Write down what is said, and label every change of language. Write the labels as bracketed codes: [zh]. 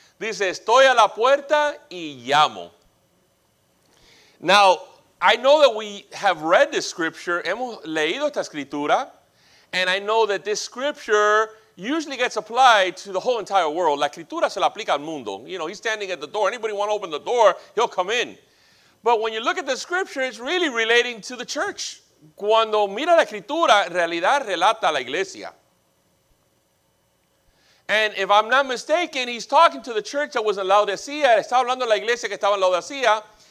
[es] Dice, estoy a la puerta y llamo. [en] Now, I know that we have read this Scripture. [es] Hemos leído esta Escritura. [en] And I know that this Scripture usually gets applied to the whole entire world. [es] La escritura se la aplica al mundo. [en] You know, he's standing at the door. Anybody want to open the door, he'll come in. But when you look at the scripture, it's really relating to the church. [es] Cuando mira la escritura, en realidad relata a la iglesia. [en] And if I'm not mistaken, he's talking to the church that was in Laodicea. [es] Está hablando de la iglesia que estaba en Laodicea.